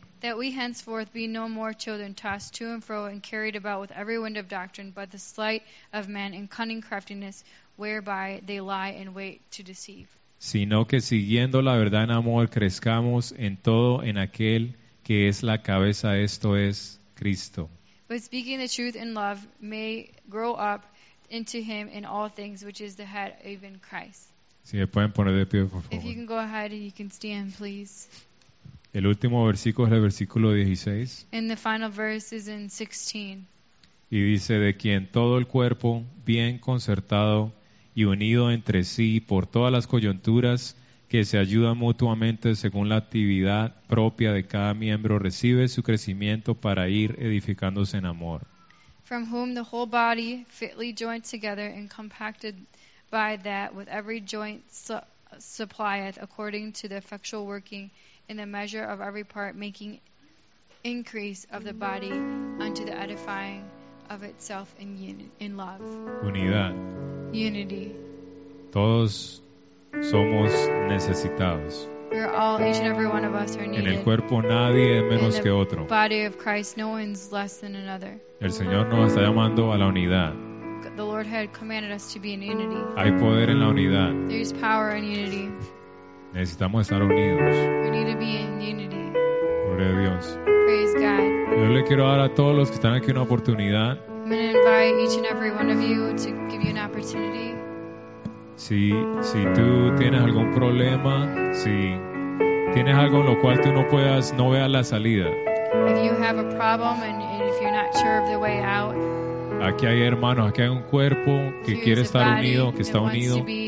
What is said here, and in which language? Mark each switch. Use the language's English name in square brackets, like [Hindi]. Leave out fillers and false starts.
[English] That we henceforth be no more children tossed to and fro and carried about with every wind of doctrine, but the sleight of man and cunning craftiness, whereby they lie in wait to deceive. [Spanish] Sino que siguiendo la verdad en amor, crezcamos en todo en aquel que es la cabeza, esto es, Cristo. [English] But speaking the truth in love, may grow up into him in all things, which is the head, even Christ. [Spanish] Si me pueden poner de pie, por favor. [English] If you can go ahead and you can stand, please. [Spanish] El último versículo es el versículo 16. [English] And the final verse is in 16. [Spanish] Y dice, de quien todo el cuerpo, bien concertado y unido entre sí por todas las coyunturas que se ayudan mutuamente según la actividad propia de cada miembro, recibe su crecimiento para ir edificándose en amor. [English] From whom the whole body, fitly joined together and compacted by that with every joint supplieth according to the effectual working in the measure of every part, making increase of the body unto the edifying of itself in love. [Spanish] Unidad. [English] Unity. [Spanish] Todos somos necesitados. [English] We're all, each and every one of us are needed. [Spanish] En el cuerpo nadie es menos que otro. [English] In the body of Christ, no one's less than another. [Spanish] El Señor nos está llamando a la unidad. [English] The Lord had commanded us to be in unity. [Spanish] Hay poder en la unidad. [English] There's power in unity. [Spanish] Necesitamos estar unidos. [English] We need to be in unity. [Spanish] Gloria a Dios. [English] Praise God. [Spanish] Yo le quiero dar a todos los que están aquí una oportunidad. [English] I'm going to invite each and every one of you to give you an opportunity. [Spanish] Si tú tienes algún problema, si tienes algo en lo cual tú no puedas, no veas la salida. [English] If you have a problem and if you're not sure of the way out. [Spanish] Aquí hay hermanos, aquí hay un cuerpo que quiere estar unido, que está unido.